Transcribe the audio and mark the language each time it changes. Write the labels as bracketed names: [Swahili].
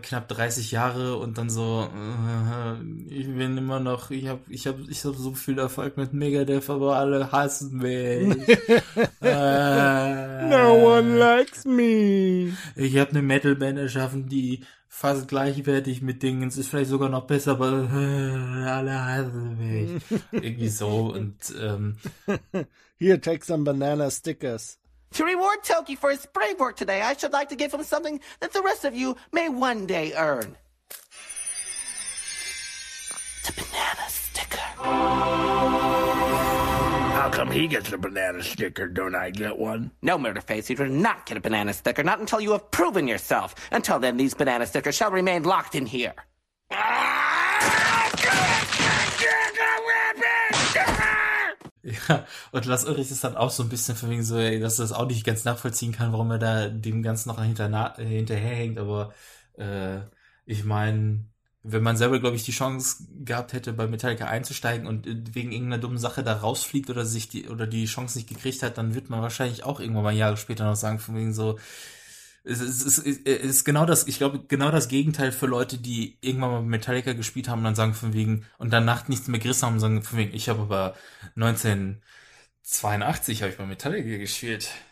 [German] Knapp 30 Jahre und dann so, ich bin immer noch, ich hab so viel Erfolg mit Megadeth, aber alle hassen mich. [English] No one likes me. [German] Ich habe eine Metalband erschaffen, die fast gleichwertig mit Dingen. Es ist vielleicht sogar noch besser, aber alle hassen mich. Irgendwie so und [English] Here, take some banana stickers. To reward Toki for his brave work today, I should like to give him something that the rest of you may one day earn. It's a banana sticker. How come he gets a banana sticker, don't I get one? No, Murderface, you do not get a banana sticker, not until you have proven yourself. Until then, these banana stickers shall remain locked in here. [German] Ja, und Lars Ulrich ist dann auch so ein bisschen von wegen so, dass er das auch nicht ganz nachvollziehen kann, warum er da dem Ganzen noch hinterherhängt, aber ich meine, wenn man selber, glaube ich, die Chance gehabt hätte, bei Metallica einzusteigen und wegen irgendeiner dummen Sache da rausfliegt oder sich die oder die Chance nicht gekriegt hat, dann wird man wahrscheinlich auch irgendwann mal Jahre später noch sagen, von wegen so, es ist genau das, ich glaube, genau das Gegenteil für Leute, die irgendwann mal Metallica gespielt haben und dann sagen von wegen, und danach nichts mehr gerissen haben, sondern von wegen, ich habe aber 1982 habe ich mal Metallica gespielt.